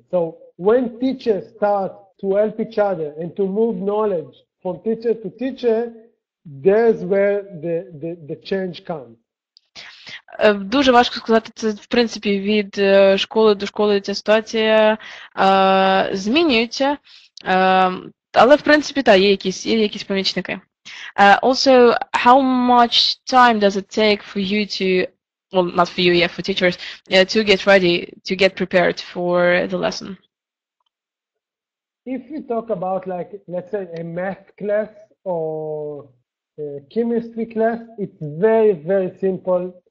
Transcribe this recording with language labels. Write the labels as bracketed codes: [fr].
[en] So when teachers start to help each other and to move knowledge from teacher to teacher, there's where the change comes. [uk] Дуже важко сказати, це в принципі від школи до школи ця ситуація змінюється. Але в принципі так, є якісь помічники. [en] Also, how much time does it take for you to well, not for you, yeah, for teachers, to get ready, to get prepared for the lesson. If you talk about, like, let's say a math class or a chemistry class, it's very, very simple.